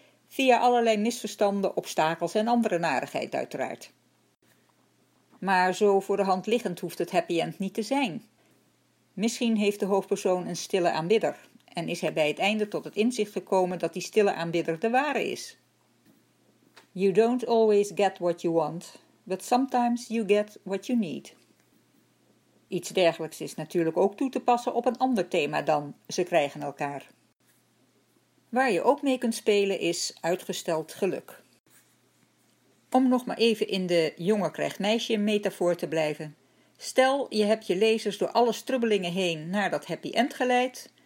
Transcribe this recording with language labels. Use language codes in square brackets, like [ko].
[nl] Via allerlei misverstanden, obstakels en andere narigheid uiteraard. Maar zo voor de hand liggend hoeft het happy end niet te zijn. Misschien heeft de hoofdpersoon een stille aanbidder en is hij bij het einde tot het inzicht gekomen dat die stille aanbidder de ware is. [en] You don't always get what you want, but sometimes you get what you need. [nl] Iets dergelijks is natuurlijk ook toe te passen op een ander thema dan ze krijgen elkaar. Waar je ook mee kunt spelen is uitgesteld geluk. Om nog maar even in de jongen krijgt meisje metafoor te blijven. Stel, je hebt je lezers door alle strubbelingen heen naar dat happy end geleid.